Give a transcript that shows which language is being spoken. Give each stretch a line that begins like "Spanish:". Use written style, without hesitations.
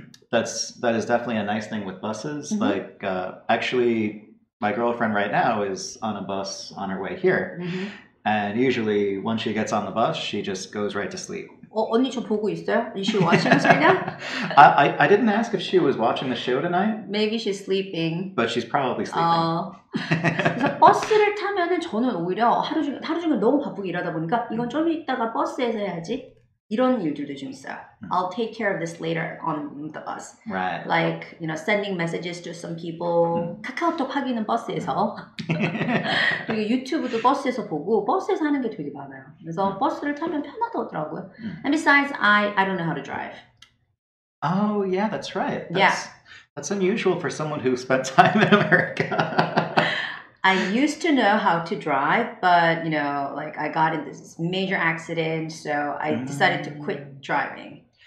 English: That is definitely a nice thing with buses. Mm-hmm. Like, actually, my girlfriend right now is on a bus on her way here. Mm-hmm. And usually, once she gets on the bus, she just goes right to sleep.
Korean: 어, 언니 저 보고 있어요?
English: Is she watching us right now? I didn't ask if she was watching the show tonight. Maybe she's sleeping. But she's probably sleeping.
Korean: 그래서 버스를 타면은 저는 오히려 하루 종일 너무 바쁘게 일하다 보니까 이건 좀 이따가 버스에서 해야지. 이런 일들도 좀 있어요.
English: I'll take care of this later on the bus. Right. Like, you know, sending messages to some people.
Korean: 카카오톡 하기는 버스에서. 그리고 유튜브도 버스에서 보고 버스에서 하는 게 되게 많아요. 그래서 버스를 타면 편하더라고요.
English: And besides, I don't know how to drive. Oh, yeah, that's right. That's unusual for someone who spent time in America. I used to know how to drive, but, you know, like, I got in this major accident, so I decided to quit driving.